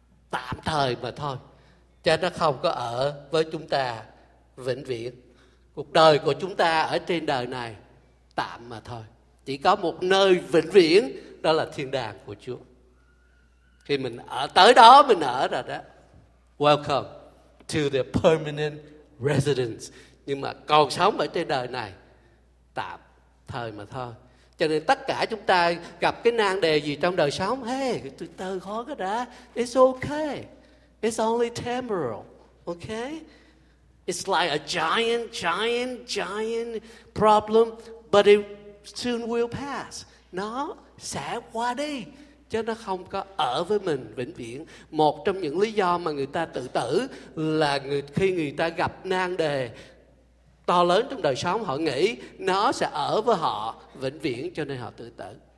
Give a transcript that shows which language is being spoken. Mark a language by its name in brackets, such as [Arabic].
[Vietnamese] Tạm thời mà thôi, cho nó không có ở với chúng ta vĩnh viễn. Cuộc đời của chúng ta ở trên đời này tạm mà thôi. Chỉ có một nơi vĩnh viễn, đó là thiên đàng của Chúa. Khi mình ở tới đó, mình ở rồi đó. [English] Welcome to the permanent residence. [Vietnamese] Nhưng mà còn sống ở trên đời này tạm thời mà thôi. Cho nên tất cả chúng ta gặp cái nan đề gì trong đời sống, hey, từ từ khó cái đã. [English] It's okay. It's only temporal. Okay? It's like a giant problem, but it soon will pass. [Vietnamese] nó sẽ qua đi, chứ nó không có ở với mình vĩnh viễn. Một trong những lý do mà người ta tự tử là khi người ta gặp nan đề to lớn trong đời sống, họ nghĩ nó sẽ ở với họ vĩnh viễn, cho nên họ tự tử.